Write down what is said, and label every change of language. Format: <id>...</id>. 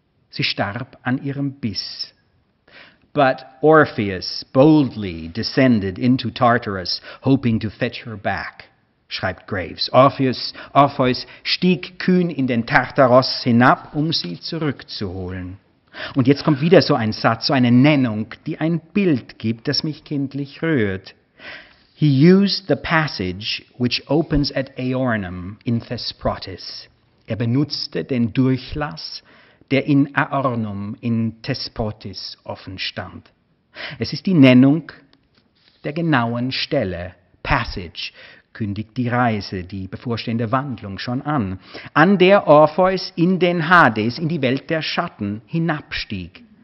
<de>Sie starb an ihrem Biss.</de> <en>But Orpheus boldly descended into Tartarus, hoping to fetch her back,</en> <de>schreibt Graves. Orpheus stieg kühn in den Tartaros hinab, um sie zurückzuholen. Und jetzt kommt wieder so ein Satz, so eine Nennung, die ein Bild gibt, das mich kindlich rührt.</de> <en>He used the passage which opens at Aornum in Thesprotis.</en> <de>Er benutzte den Durchlass, der in Aornum in Thesprotis offen stand. Es ist die Nennung der genauen Stelle, Passage, kündigt die Reise, die bevorstehende Wandlung schon an, an der Orpheus in den Hades, in die Welt der Schatten, hinabstieg.</de>